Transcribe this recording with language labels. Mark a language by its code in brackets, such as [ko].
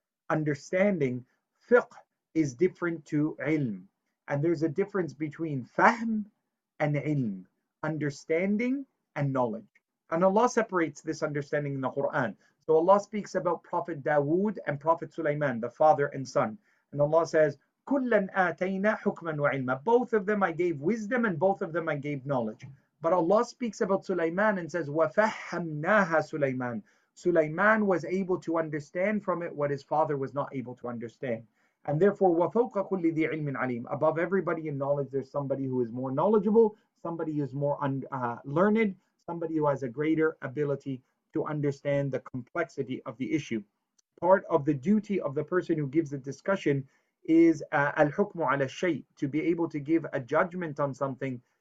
[en] Understanding fiqh is different to ilm. And there's a difference between fahm and ilm, understanding and knowledge. And Allah separates this understanding in the Quran. So Allah speaks about Prophet Dawood and Prophet Sulaiman, the father and son. [ar] And Allah says, كُلًّا آتَيْنَا حُكْمًا وَعِلْمًا. [en] Both of them I gave wisdom and both of them I gave knowledge. But Allah speaks about Sulaiman and says, [ar] وَفَهَّمْنَاهَا سُلَيْمَانَ. [en] Sulaiman was able to understand from it what his father was not able to understand. [ar] And therefore, وَفَوْقَ كُلِّ ذِي عِلْمٍ عَلِيمٍ. [en] Above everybody in knowledge, there's somebody who is more knowledgeable, somebody who is more learned, somebody who has a greater ability to understand the complexity of the issue. Part of the duty of the person who gives the discussion is [ar] al-hukmu ala shay, [en] to be able to give a judgment on something.